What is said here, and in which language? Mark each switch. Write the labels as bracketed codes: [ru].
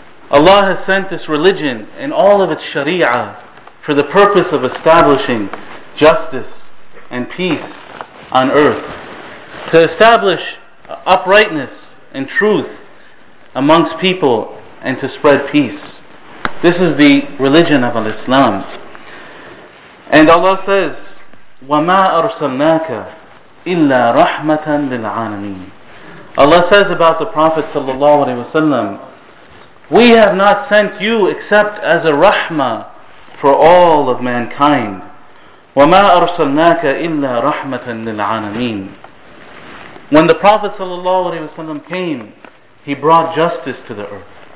[en] Allah has sent this religion and all of its sharia for the purpose of establishing justice and peace on earth, to establish uprightness and truth amongst people and to spread peace. This is the religion of al-Islam. And Allah says, [ar] "وَمَا أَرْسَلْنَاكَ إِلَّا رَحْمَةً لِلْعَالَمِينَ." [en] Allah says about the Prophet ﷺ, "We have not sent you except as a rahmah for all of mankind." [ar] وَمَا أَرْسَلْنَاكَ إِلَّا رَحْمَةً لِلْعَالَمِينَ. [en] When the Prophet ﷺ came, he brought justice to the earth.